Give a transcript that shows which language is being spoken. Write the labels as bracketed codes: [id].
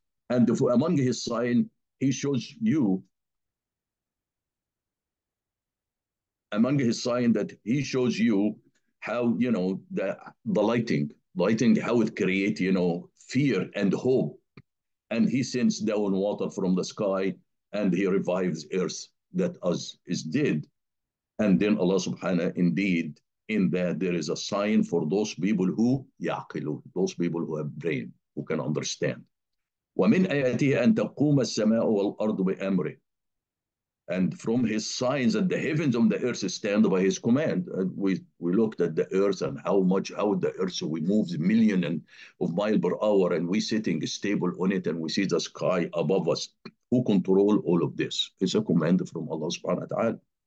[en] And if, among his sign, he shows you, among his sign that he shows you how, you know, the lighting, how it creates, you know, fear and hope. And he sends down water from the sky and he revives earth that us is dead. And then Allah subhanahu, indeed, in that there is a sign for those people who يعقلوا, those people who have brain, who can understand. [ar] ومن آياته أن تقوم السماء والأرض بأمره. [en] And from his signs that the heavens and the earth stand by his command. And we looked at the earth and how the earth moves a million of miles per hour, and we're sitting stable on it, and we see the sky above us. Who control all of this? It's a command from Allah subhanahu wa ta'ala.